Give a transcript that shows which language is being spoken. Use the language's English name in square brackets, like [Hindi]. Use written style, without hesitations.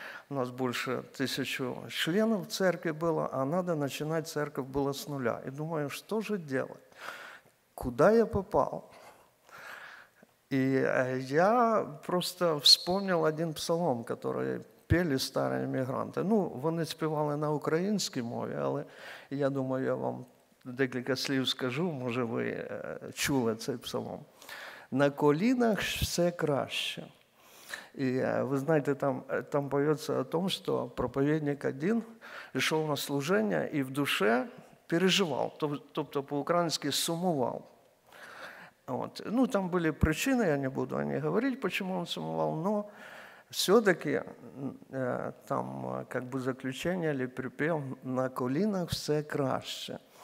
[Russian] У нас больше 1000 членов церкви было, а надо начинать церковь было с нуля. И думаю, что же делать? Куда я попал? И я просто вспомнил один псалом, который пели старые мігранти. [Ukrainian] Ну, вони співали на українській мові, але я думаю, я вам декілька слів скажу, може ви чули цей псалом. «На колінах все краще». [Russian] И вы знаете, там поется о том, что проповедник один шел на служение и в душе переживал, то есть по-украински сумовал. Вот. Ну, там были причины, я не буду о них говорить, почему он сумовал, но все-таки там как бы заключение или припев [Ukrainian] «На колінах все краще».